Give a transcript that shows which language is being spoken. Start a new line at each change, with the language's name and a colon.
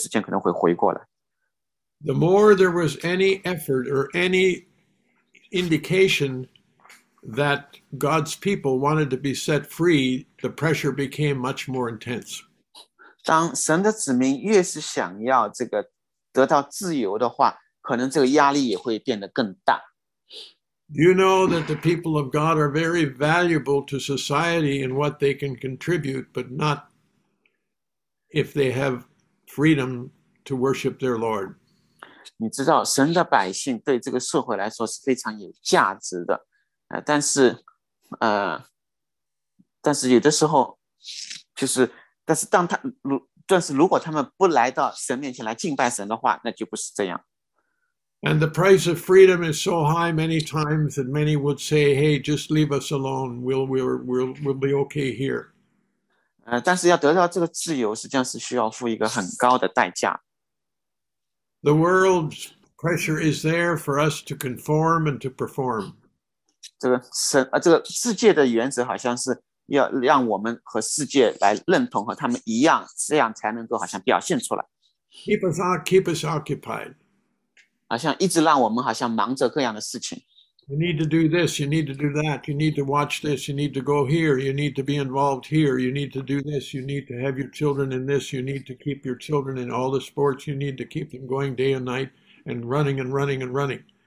Chinese: 我们可能第四章里面有些东西我们会错过，但是没关系，我们下以后的时间可能会回过来。
English: The more there was any effort or any indication that God's people wanted to be set free, the pressure became much more intense.
Chinese: 当神的子民越是想要这个得到自由的话，可能这个压力也会变得更大。
English: You know that the people of God are very valuable to society in what they can contribute, but not if they have freedom to worship their Lord.
Chinese: 你知道，神的百姓对这个社会来说是非常有价值的，但是有的时候，就是，但是如果他们不来到神面前来敬拜神的话，那就不是这样。
English: And the price of freedom is so high many times that many would say, hey, just leave us alone. We'll be okay here.
Chinese: 但是要得到这个自由实际上是需要付一个很高的代价。
English: The world's pressure is there for us to conform and to perform.
Chinese: 这个世界的原则好像是要让我们和世界来认同和他们一样，这样才能够好像表现出来。
English: Keep us occupied.
Chinese: 好像一直让我们好像忙着各样的事情。
English: You need to do this, you need to do that, you need to watch this, you need to go here, you need to be involved here, you need to do this, you need to have your children in this, you need to keep your children in all the sports, you need to keep them going day and night and running and running and running.